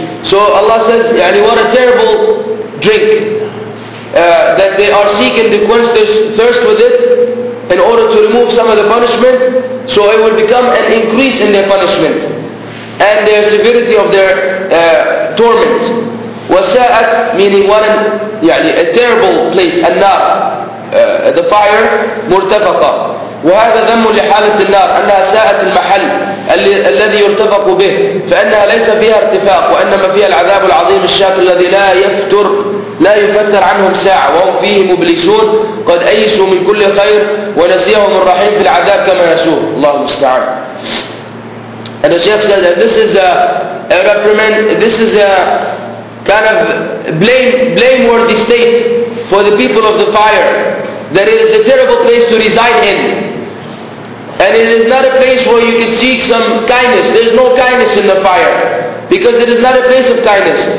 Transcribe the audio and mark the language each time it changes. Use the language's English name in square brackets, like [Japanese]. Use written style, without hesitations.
[English] So Allah says, يعني, what a terrible drink that they are seeking to quench their thirst with it in order to remove some of the punishment, so it will become an increase in their punishment and their severity of their torment. [Arabic] وَسَاءَتْ, [English] meaning what an, يعني, a terrible place, النار, the fire, مرتفقة. [Arabic] وهذا ذم لحالة النار أنها ساءت المحل الذي يرتفق به فإنها ليس فيها ارتفاق وإنما فيها العذاب العظيم الشاف الذي لا يفتر عنهم ساعة وهم فيه مبلسون قد أيسوا من كل خير ونسيهم الرحيم في العذاب كما نسوه. الله المستعان. [English] And the Shaykh said that this is a reprimand, this is a kind of blameworthy state for the people of the fire, that it is a terrible place to reside in. And it is not a place where you can seek some kindness. There is no kindness in the fire, because it is not a place of kindness.